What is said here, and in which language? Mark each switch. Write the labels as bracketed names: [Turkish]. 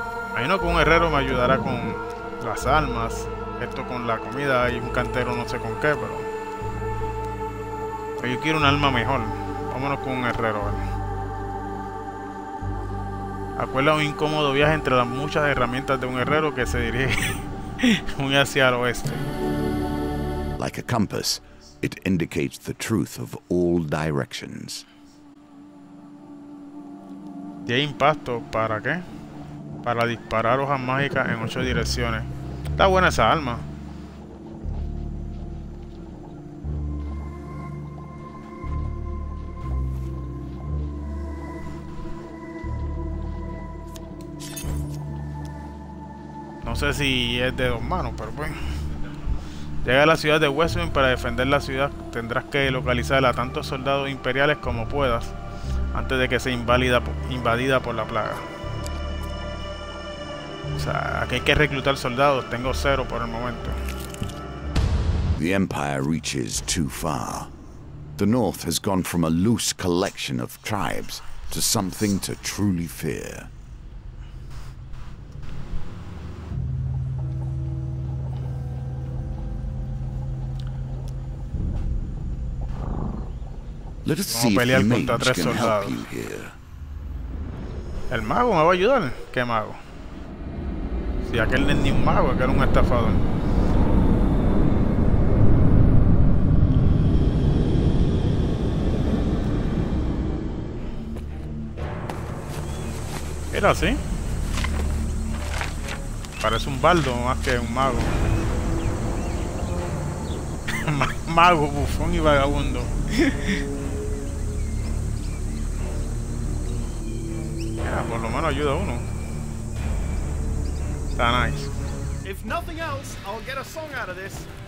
[Spanish] Imagino que un herrero me ayudará con las armas. Esto con la comida y un cantero no sé con qué, pero... Yo quiero un arma mejor. Vámonos con un herrero, ¿vale? Acuerda un incómodo viaje entre las muchas herramientas de un herrero que se dirige muy hacia el oeste. [English] Like a compass, it indicates the truth of all directions. [Spanish] ¿Y hay impacto para qué? Para disparar hojas mágicas en 8 direcciones. Está buena esa arma. No sé si es de dos manos, pero bueno. Llega a la ciudad de Westwind. Para defender la ciudad, tendrás que localizar a tantos soldados imperiales como puedas antes de que sea invadida por la plaga. O sea, aquí hay que reclutar soldados. Tengo cero por el momento. [English] The Empire reaches too far. The North has gone from a loose collection of tribes to something to truly fear. Let us see if the mage can help you here. [Spanish] El mago me va a ayudar. ¿Qué mago? Si aquel no es ni un mago, aquel es un estafador. Era así. Parece un baldo más que un mago. Mago, bufón y vagabundo. Yeah, por lo menos ayuda a uno. Está nice. [English] If nothing else, I'll get a song out of this.